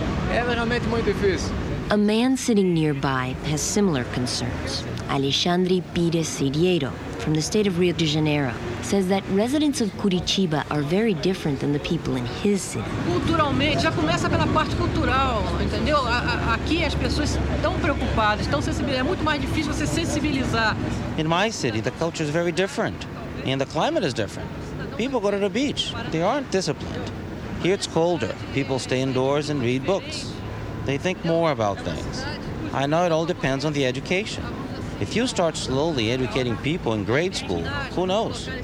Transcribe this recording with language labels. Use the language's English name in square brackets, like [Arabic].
[English] A man sitting nearby has similar concerns. Alexandre Pires Cidiero, from the state of Rio de Janeiro, says that residents of Curitiba are very different than the people in his city. [Portuguese] Culturalmente, já começa pela parte cultural, entendeu? Aqui as pessoas estão preocupadas, estão sensibilizadas. É muito mais difícil você sensibilizar. [English] In my city, the culture is very different, and the climate is different. People go to the beach. They aren't disciplined. Here it's colder. People stay indoors and read books. They think more about things. I know it all depends on the education. If you start slowly educating people in grade school, who knows?